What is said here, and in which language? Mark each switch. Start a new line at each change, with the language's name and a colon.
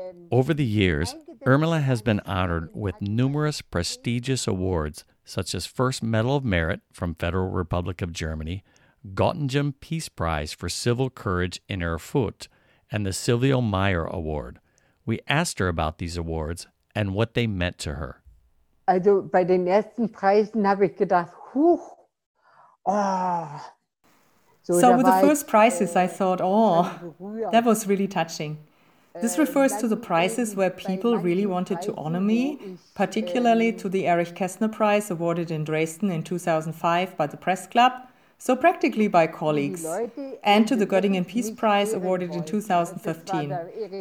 English: Over the years, Irmela has been honored with numerous prestigious awards, such as First Medal of Merit from Federal Republic of Germany, Göttingen Peace Prize for Civil Courage in Erfurt, and the Silvio Meyer Award. We asked her about these awards and what they meant to her.
German: Also, bei den ersten Preisen habe ich gedacht, huch, oh.
English: So with the first prizes, I thought, oh, that was really touching. This refers to the prizes where people really wanted to honor me, particularly to the Erich Kästner Prize awarded in Dresden in 2005 by the Press Club, so practically by colleagues, and to the Göttingen Peace Prize awarded in 2015.